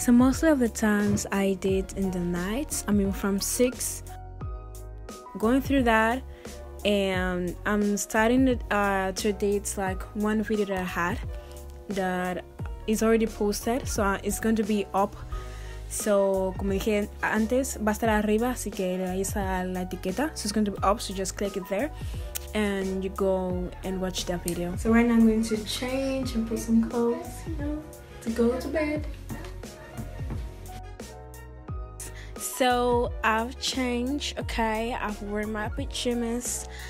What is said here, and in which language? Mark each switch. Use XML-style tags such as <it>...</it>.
<en>So most of the times I did in the night, I mean from 6, going through that, and I'm starting to date like one video that I had that is already posted, so it's going to be up.</en> <es>So como dije antes, va a estar arriba, así que le vais a la etiqueta.</es> <en>So it's going to be up, so just click it there and you go and watch that video. So right now I'm going to change and put some clothes, you know, to go to bed. So I've changed, okay, I've worn my pajamas.</en>